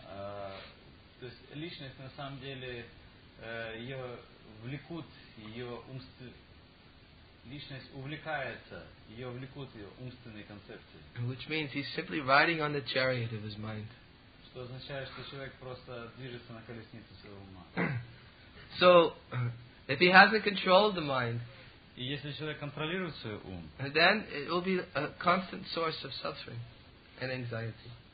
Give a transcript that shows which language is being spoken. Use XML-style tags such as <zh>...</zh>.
<ru>То есть личность на самом деле ее влекут ее личность увлекается ее влекут ее умственные концепции.</ru> <en>Which means he's simply riding on the chariot of his mind.</en> <ru>Что означает, что человек просто движется на колеснице своего ума.</ru> <en>So if he hasn't controlled the mind,</en> <ru>и если человек контролирует свой ум,</ru> <en>then it will be a constant source of suffering and anxiety.</en>